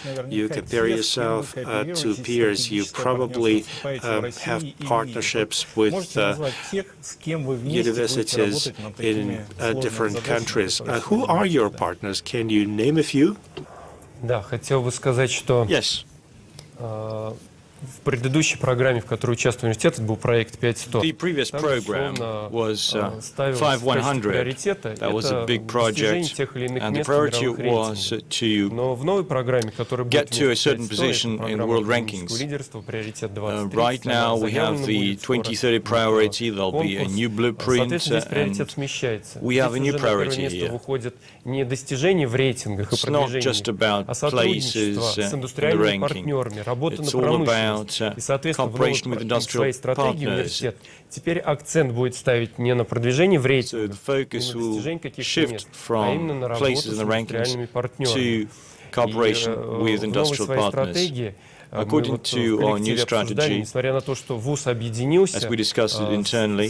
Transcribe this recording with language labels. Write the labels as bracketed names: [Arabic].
[English] You compare yourself to peers. You probably have partnerships with universities in different countries. Who are your partners? Can you name a few? Yes. [Russian] В предыдущей программе, в которой участвовал университет, это был проект 5100. [English] The previous program was 5100. That was a big project. And the priority was to get to a certain position in world rankings. Right now we have the 2030 priority. There'll be a new blueprint. And we have a new priority here. It's not just about places in the ranking. It's all about cooperation with industrial partners. [Russian] Теперь акцент будет ставить не на продвижение в рейтинге, не на достижение каких-то мест, а именно на работу с реальными партнерами. И в новой своей стратегии, [English] according to our new strategy, as we discussed it internally,